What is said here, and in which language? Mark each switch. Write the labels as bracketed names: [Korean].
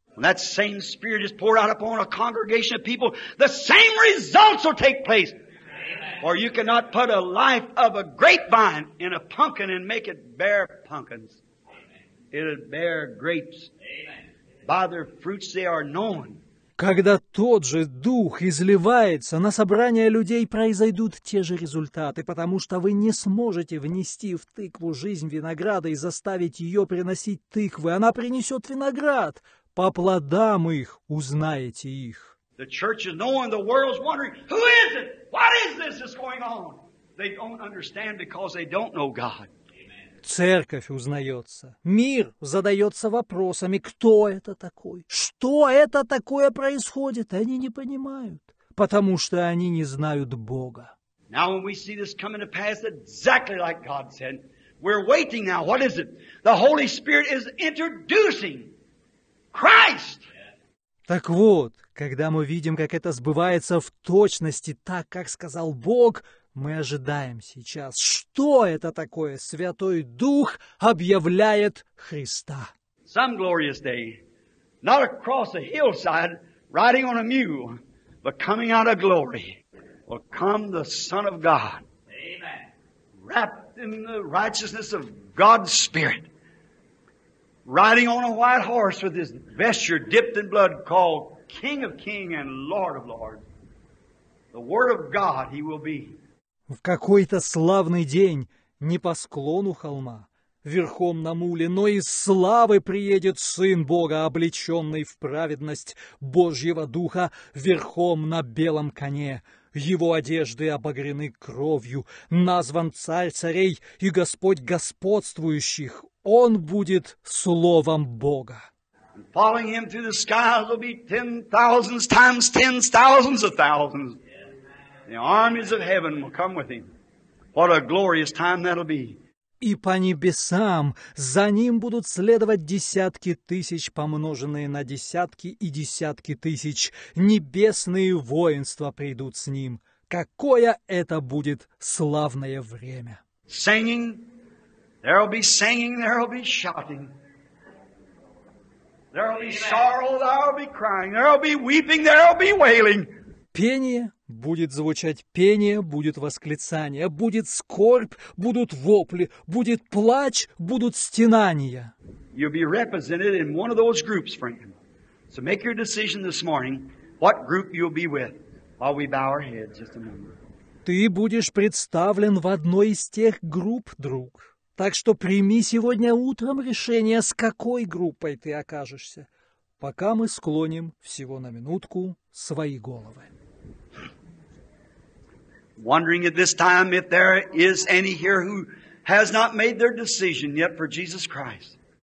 [English] When that same spirit is poured out upon a congregation of people, the same results will take place. Amen. For you cannot put a life of a grapevine in a pumpkin and make it bear pumpkins. Amen. It'll bear grapes. Amen. By their fruits they are known. [Russian] Когда тот же Дух изливается, на собрание людей произойдут те же результаты, потому что вы не сможете внести в тыкву жизнь винограда и заставить ее приносить тыквы. Она принесет виноград. По плодам их узнаете их. [English] The church is knowing, the world's wondering, who is it? What is this that's going on? They don't understand because they don't know God. [Russian] Церковь узнается. Мир задается вопросами, кто это такой? Что это такое происходит? Они не понимают, потому что они не знают Бога. [English] Now when we see this coming to pass exactly like God said, we're waiting now. What is it? The Holy Spirit is introducing Christ. [Russian] Так вот, когда мы видим, как это сбывается в точности так, как сказал Бог, мы ожидаем сейчас, что это такое? Святой Дух объявляет Христа. [English] Some glorious day, not across a hillside, riding on a mule, but coming out of glory, will come the Son of God, wrapped in the righteousness of God's Spirit. Riding on a white horse with his vesture dipped in blood, called King of Kings and Lord of Lords. The Word of God he will be. [Russian] В какой-то славный день, не по склону холма, верхом на муле, но из славы приедет Сын Бога, облеченный в праведность Божьего Духа, верхом на белом коне. Его одежды обогрены кровью, назван Царь царей и Господь господствующих. Он будет Словом Бога. [English] Following him through the skies will be ten thousands times tens thousands of thousands. Yeah. The armies of heaven will come with him. What a glorious time that'll be. [Russian] И по небесам за ним будут следовать десятки тысяч, помноженные на десятки и десятки тысяч. Небесные воинства придут с ним. Какое это будет славное время! [English] Singing, there'll be singing, there'll be shouting. There'll be sorrow, there'll be crying, there'll be weeping, there'll be wailing. [Russian] Пение будет звучать, пение будет восклицание, будет скорбь, будут вопли, будет плач, будут стенания. [English] You'll be represented in one of those groups, friend. So make your decision this morning, what group you'll be with, while we bow our heads just a moment. [Russian] Ты будешь представлен в одной из тех групп, друг. Так что прими сегодня утром решение, с какой группой ты окажешься, пока мы склоним всего на минутку свои головы. [English] Wondering at this time if there is any here who has not made their decision yet for Jesus Christ.